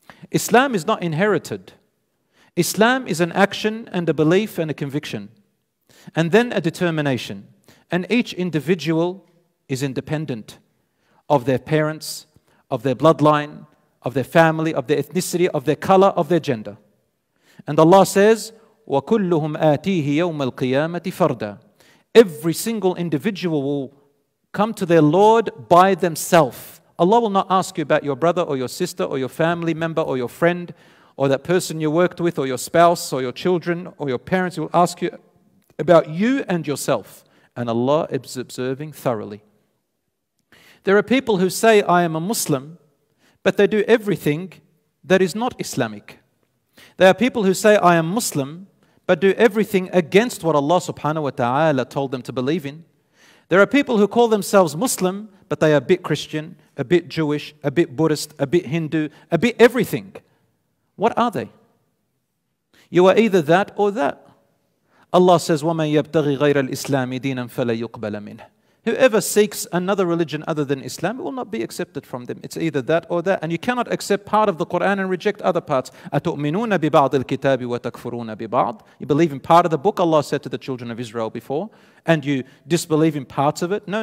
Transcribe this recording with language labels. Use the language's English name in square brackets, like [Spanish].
[English] Islam is not inherited. Islam is an action and a belief and a conviction, and then a determination. And each individual is independent of their parents, of their bloodline, of their family, of their ethnicity, of their color, of their gender. And Allah says, [Arabic] وَكُلُّهُمْ آتِيهِ يَوْمَ الْقِيَامَةِ فَرْدًا. [English] Every single individual will come to their Lord by themselves. Allah will not ask you about your brother or your sister or your family member or your friend or that person you worked with or your spouse or your children or your parents. He will ask you about you and yourself. And Allah is observing thoroughly. There are people who say, I am a Muslim, but they do everything that is not Islamic. There are people who say, I am Muslim, but do everything against what Allah subhanahu wa ta'ala told them to believe in. There are people who call themselves Muslim, but they are a bit Christian, a bit Jewish, a bit Buddhist, a bit Hindu, a bit everything. What are they? You are either that or that. Allah says, [Arabic] وَمَنْ يَبْتَغِ غَيْرَ الْإِسْلَامِ دِينًا فَلَيُقْبَلَ مِنْهِ. [English] Whoever seeks another religion other than Islam, it will not be accepted from them. It's either that or that. And you cannot accept part of the Quran and reject other parts. [Arabic] أَتُؤْمِنُونَ بِبَعْضِ الْكِتَابِ وَتَكْفُرُونَ بِبَعْضِ. [English] You believe in part of the book, Allah said to the children of Israel before, and you disbelieve in parts of it. No.